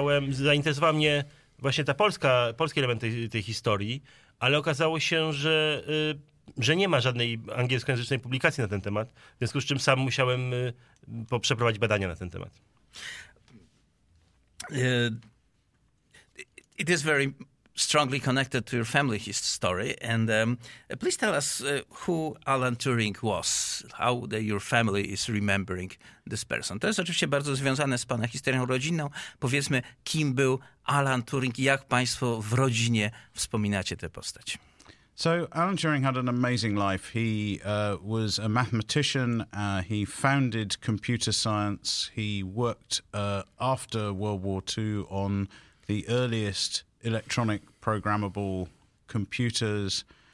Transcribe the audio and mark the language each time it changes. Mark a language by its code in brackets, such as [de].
[pl] Zainteresowała mnie właśnie ta polski element tej historii, ale okazało się, że nie ma żadnej angielskojęzycznej publikacji na ten temat, w związku z czym sam musiałem przeprowadzić badania na ten temat. [en] It is very strongly connected to your family history, and please tell us who Alan Turing was, how your family is remembering this person. [pl] To jest oczywiście bardzo związane z pana historią rodzinną. Powiedzmy, kim był Alan Turing i jak państwo w rodzinie wspominacie tę postać. [en] So Alan Turing had an amazing life. He was a mathematician. He founded computer science. He worked after World War II on the earliest electronic programmable computers.